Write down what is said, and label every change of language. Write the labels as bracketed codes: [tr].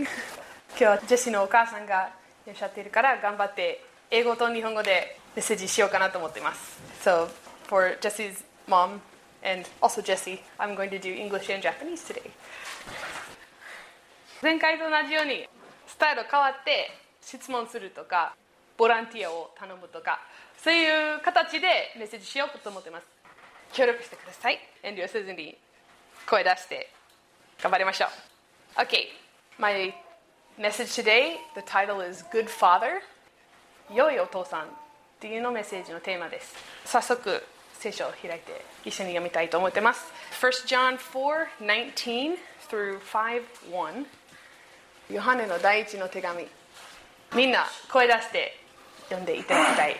[ja] 今日はジェシーのお母さんがいらっしゃっているから頑張って英語と日本語でメッセージしようかなと思っています。 [en] So for Jesse's mom and also Jesse, I'm going to do English and Japanese today。 [ja] 前回と同じようにスタイル変わって質問するとかボランティアを頼むとかそういう形でメッセージしようと思っています。協力してください。遠慮せずに。声出して頑張りましょう。 [en] Okay, my message today, the title is Good Father. [ja] 良いお父さんっていうのメッセージのテーマです。早速聖書を開いて一緒に読みたいと思ってます。 [en] 1 John 4:19 through 5:1 [ja] ヨハネの第一の手紙。みんな声出して読んでいただきたい。